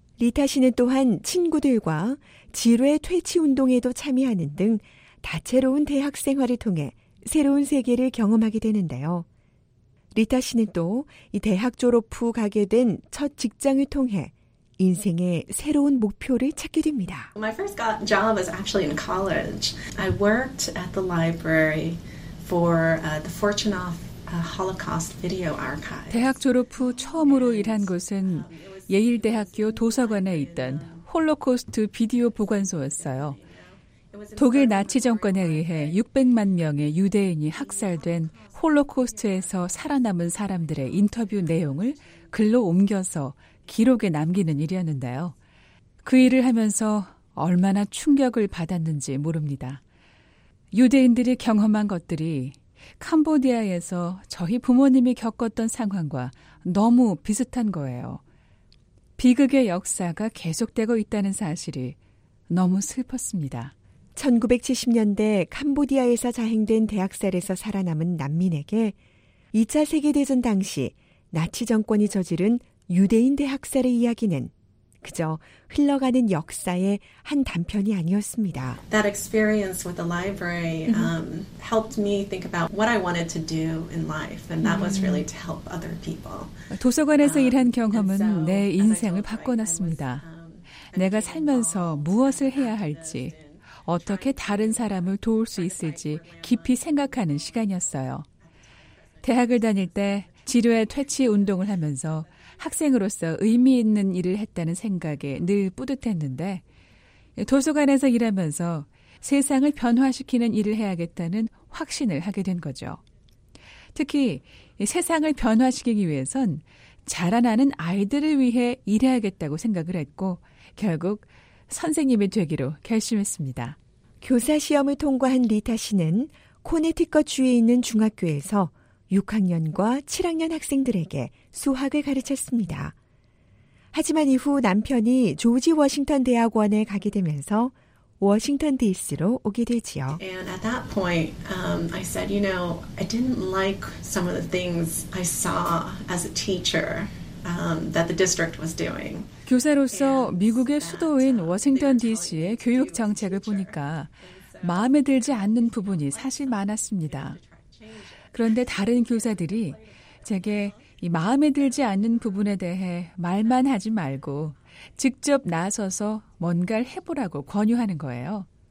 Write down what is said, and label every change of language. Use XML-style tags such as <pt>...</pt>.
<ko>리타 씨는 또한 친구들과 지뢰 퇴치 운동에도 참여하는 등 다채로운 대학 생활을 통해 새로운 세계를 경험하게 되는데요. 리타 씨는 또 이 대학 졸업 후 가게 된 첫 직장을 통해 인생의 새로운 목표를 찾게 됩니다.</ko> <en>My first job was actually in college. I worked at the library for the Fortune of Holocaust Video Archive.</en> <ko>대학 졸업 후 처음으로 일한 곳은 예일대학교 도서관에 있던 홀로코스트 비디오 보관소였어요. 독일 나치 정권에 의해 600만 명의 유대인이 학살된 홀로코스트에서 살아남은 사람들의 인터뷰 내용을 글로 옮겨서 기록에 남기는 일이었는데요. 그 일을 하면서 얼마나 충격을 받았는지 모릅니다. 유대인들이 경험한 것들이 캄보디아에서 저희 부모님이 겪었던 상황과 너무 비슷한 거예요. 비극의 역사가 계속되고 있다는 사실이 너무 슬펐습니다. 1970년대 캄보디아에서 자행된 대학살에서 살아남은 난민에게 2차 세계대전 당시 나치 정권이 저지른 유대인 대학살의 이야기는 그저 흘러가는 역사의 한 단편이 아니었습니다.</ko> <en>That experience with the library helped me think about what I wanted to do in life, and that was really to help other people.</en> <ko>도서관에서 일한 경험은 내 인생을 바꿔놨습니다. 내가 살면서 무엇을 해야 할지, 어떻게 다른 사람을 도울 수 있을지 깊이 생각하는 시간이었어요. 대학을 다닐 때 지루의 퇴치 운동을 하면서 학생으로서 의미 있는 일을 했다는 생각에 늘 뿌듯했는데 도서관에서 일하면서 세상을 변화시키는 일을 해야겠다는 확신을 하게 된 거죠. 특히 세상을 변화시키기 위해선 자라나는 아이들을 위해 일해야겠다고 생각을 했고 결국 선생님이 되기로 결심했습니다. 교사 시험을 통과한 리타 씨는 코네티컷 주에 있는 중학교에서 6학년과 7학년 학생들에게 수학을 가르쳤습니다. 하지만 이후 남편이 조지 워싱턴 대학원에 가게 되면서 워싱턴 DC로 오게 되지요.</ko> <en>And at that point, I said, you know, I didn't like some of the things I saw as a teacher that the district was doing.</en> <ko>교사로서 미국의 수도인 워싱턴 DC의 교육 정책을 보니까 마음에 들지 않는 부분이 사실 많았습니다. 그런데 다른 교사들이 제게 이 마음에 들지 않는 부분에 대해 말만 하지 말고 직접 나서서 뭔가를 해보라고 권유하는 거예요.</ko>